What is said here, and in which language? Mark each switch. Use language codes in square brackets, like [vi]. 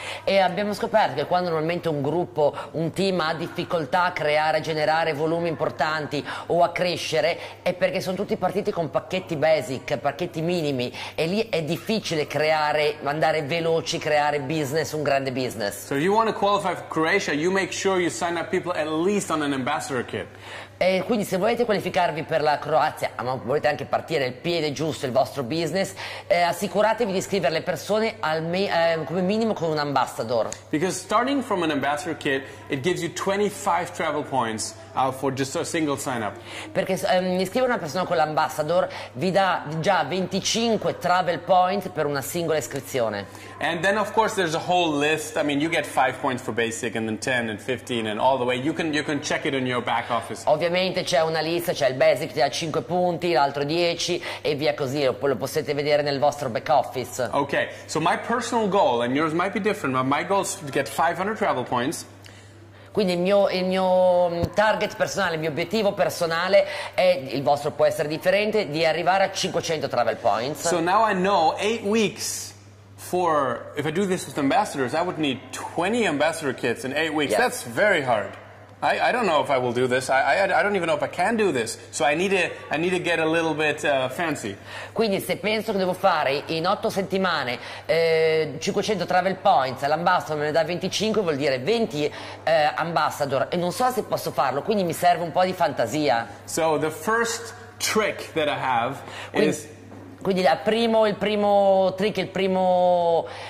[it] E abbiamo scoperto che quando normalmente un gruppo, un team ha difficoltà a creare, a generare volumi importanti o a crescere, è perché sono tutti partiti con pacchetti basic, pacchetti minimi, e lì è difficile creare, andare veloci, creare business, un grande business. [en] So if you want to qualify for Croatia, you make sure you sign up people at least on an ambassador kit. [it] E quindi se volete qualificarvi per la Croazia, ma volete anche partire il piede giusto, il vostro business, assicuratevi di iscrivere le persone come minimo con un ambassador. [en] Because starting from an ambassador kit, it gives you 25 travel points for just a single sign up. [it] Perché iscrivere una persona con l'ambassador vi dà già 25 travel points per una singola iscrizione. [en] And then of course there's a whole list. I mean, you get 5 points for basic and then 10 and 15 and all the way. You can check it in your back office. [it] Ovviamente c'è una lista, c'è il basic che ha 5 punti, l'altro 10 e via così, lo potete vedere nel vostro back office. [en] Okay. So my personal goal, and yours might be different, but my goal is to get 500 travel points. [it] Quindi il mio target personale, il mio obiettivo personale è, il vostro può essere differente, di arrivare a 500 travel points. [en] So now I know 8 weeks for, if I do this with ambassadors, I would need 20 ambassador kits in 8 weeks. Yeah. That's very hard. I don't know if I will do this. I don't even know if I can do this. So I need to get a little bit fancy. [it] Quindi se penso che devo fare in 8 settimane 500 travel points, l'ambassador me ne dà 25, vuol dire 20 ambassador, e non so se posso farlo, quindi mi serve un po' di fantasia. [en] So the first trick that I have is... [it] Quindi il primo trick, il primo